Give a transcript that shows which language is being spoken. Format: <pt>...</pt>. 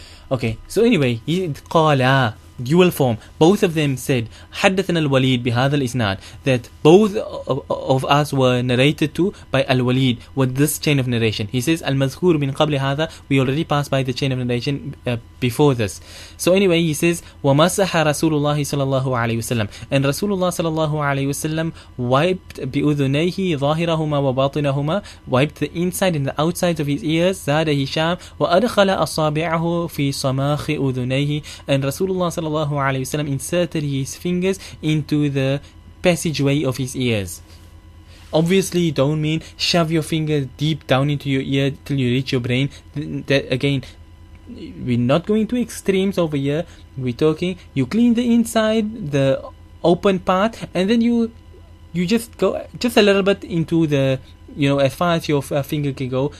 <en>Okay, so anyway, he qala, dual form. Both of them said,</en> <ar>حدثنا الوليد بهذا الإسناد,</ar> <en>that both of us were narrated to by الوليد with this chain of narration. He says,</en> <ar>المذكور من قبل هذا,</ar> <en>we already passed by the chain of narration before this. So anyway, he says,</en> <ar>ومسح رسول الله صلى الله عليه وسلم,</ar> <en>and رسول الله صلى الله عليه وسلم wiped</en> <ar>بأذنيه ظاهرهما وباطنهما,</ar> <en>wiped the inside and the outside of his ears,</en> <ar>زاد هشام وأدخل أصابعه في صماخ أذنيه,</ar> <en>and رسول الله صلى الله عليه وسلم inserted his fingers into the passageway of his ears. Obviously, you don't mean shove your finger deep down into your ear till you reach your brain. That, again, we're not going to extremes over here. We're talking, you clean the inside, the open part, and then you just go just a little bit into the, you know, as far as your finger can go.</en>